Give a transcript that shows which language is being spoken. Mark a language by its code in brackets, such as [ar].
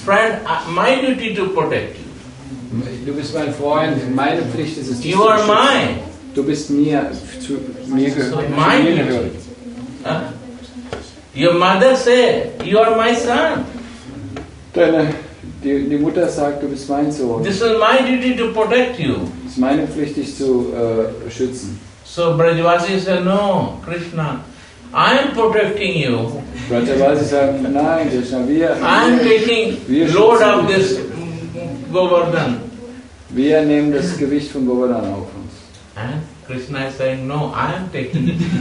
[en] Friend, my duty to protect you. [de] Du bist mein Freund. Meine Pflicht ist es, dich [en] you are [de] zu beschützen. [en] Mine. [de] Du bist mir zu mir gehört. [en] So my duty. Your mother said, you are my son. [de] Die Mutter sagt, du bist mein Sohn. [en] This is my duty to protect you. [de] Es ist meine Pflicht, dich zu schützen. [en] So Brajavasi said, no, Krishna, I am protecting you. [de] Brajavasi sagt, nein, Krishna, wir [en] load of this Govardhan. [de] Wir nehmen das Gewicht von Govardhan auf uns. [en] And Krishna is saying, no, I am taking it.